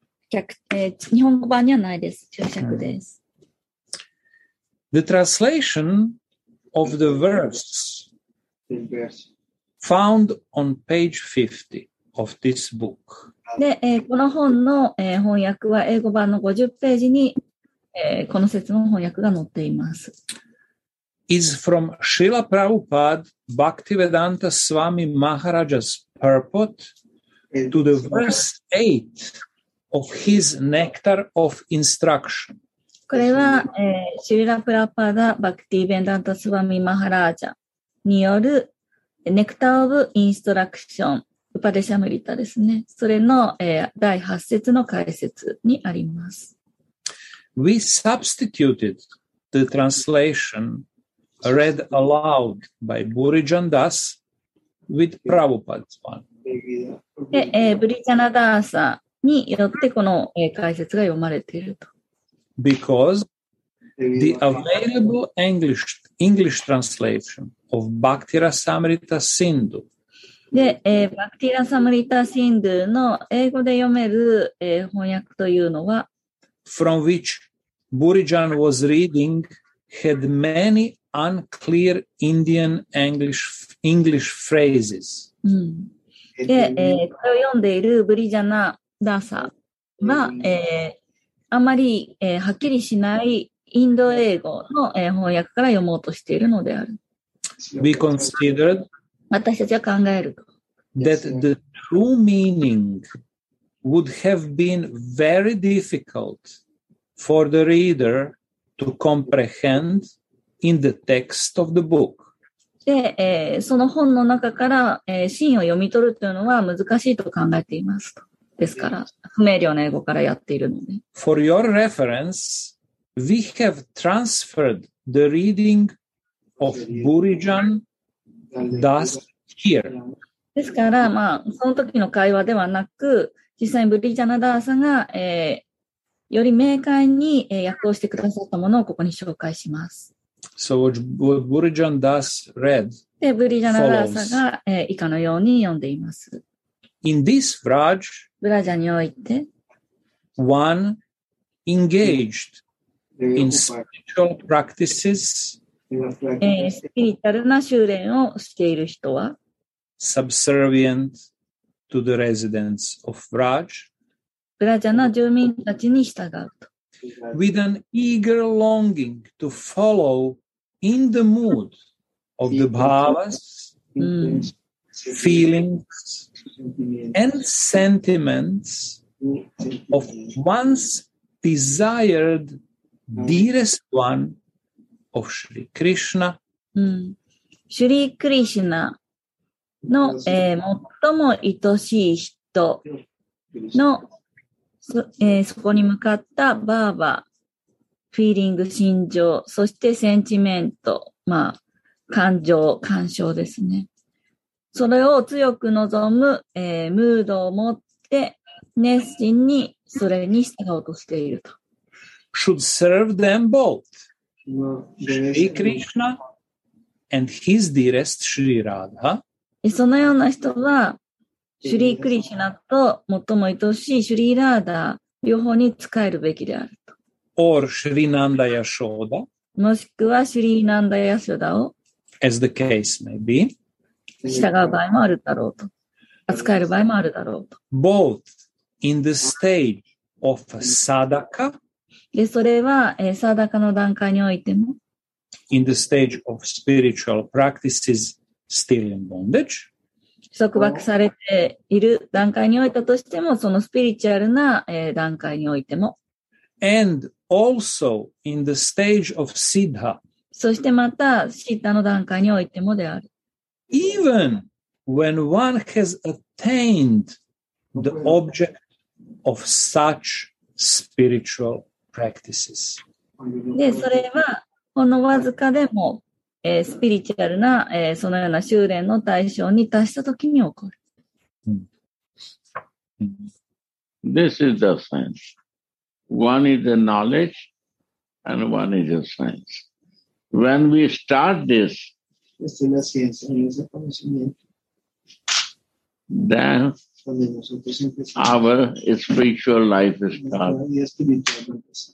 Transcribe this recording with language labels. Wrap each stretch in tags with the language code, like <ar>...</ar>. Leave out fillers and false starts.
<ja>日本語版にはないです。注釈です。</ja> <en>The translation of the verse found on page 50 of this book.</en> <ja>で、この本の翻訳は英語版の50ページにこの説の翻訳が載っています。</ja> <en>Is from Srila Prabhupada Bhaktivedanta Swami Maharaja's purport to the verse 8. Of his nectar of instruction.</en> <ja>これは、シリラ・プラパダ・バクティ・ベンダント・スワミ・マハラージャによるネクター・オブ・インストラクション、ウパデシャムリタですね。それの、第8節の解説にあります。</ja> <en>We substituted the translation read aloud by Burijan Das with Prabhupada's one.</en> <ja>で、ブリジャナダーサによってこの解説が読まれていると。</ja> <en>Because the available English translation of Bhakti Rasamrita Sindhu.</en> <ja>で、Bhakti Rasamrita Sindhu の英語で読める翻訳というのは、</ja> <en>from which Burijan was reading had many unclear Indian English phrases.</en> <ja>で、これを読んでいるブリジャナダーサは、あまり、はっきりしないインド英語の翻訳から読もうとしているのである。</ja> <en>We considered</en> <ja>私たちは考える。</ja> <en>That the true meaning would have been very difficult for the reader to comprehend in the text of the book.</en> <ja>で、その本の中から、真を読み取るというのは難しいと考えていますと。ですから、不明瞭な英語からやっているので。</ja> <en>For your reference, we have transferred the reading of Burijan thus here.</en> <ja>ですから、まあ、その時の会話ではなく、実際にブリジャナダーさんが、より明快に訳をしてくださったものをここに紹介します。</ja> <en>So what Burijan thus read follows.</en> <ja>ブリジャナダーさんが、以下のように読んでいます。</ja> <en>In this Vraj,</en> <ja>ブラジャにおいて、</ja> <en>one engaged in spiritual practices,</en> <ja>スピリチュアルな修練をしている人は、</ja> <en>subservient to the residents of Vraj,</en> <ja>ブラジャの住民たちに従うと。</ja> <en>With an eager longing to follow in the mood of the bhavas, feelings and sentiments of one's desired dearest one of Shri Krishna.</en> <ja>Shri Krishna の、最も愛しい人のそこに向かったバーバー、フィーリング、心情、そしてセンチメント、まあ、感情、感傷ですね。それを強く望む、ムードを持って、熱心にそれに従おうとしていると。</ja> <en>Should serve them both, Shri Krishna and his dearest Shri Radha.</en> <ja>そのような人は、シュリークリシュナと最も愛しいシュリーラーダー両方に使えるべきであると。</ja> <en>Or シュリーナンダヤショーダ。</en> <ja>もしくはシュリーナンダヤショーダを。</ja> <en>As the case may be.</en> <ja>従う場合もあるだろうと。扱える場合もあるだろうと。</ja> <en>Both in the stage of sadaka.</en> <ja>で、それは、サダカの段階においても。</ja> <en>In the stage of spiritual practices still in bondage.</en> <ja>束縛されている段階においたとしても、そのスピリチュアルな段階においても。</ja> <en>And also in the stage of Siddha.</en> <ja>そしてまた、シッダの段階においてもである。</ja> <en>Even when one has attained the object of such spiritual practices.</en> <ja>で、それは、ほんのわずかでも、スピリチュアルな、そのような修練の対象に達したときに起こる。</ja> <en>This is the sense. One is the knowledge and one is the sense. When we start this, then our spiritual life is started.</en>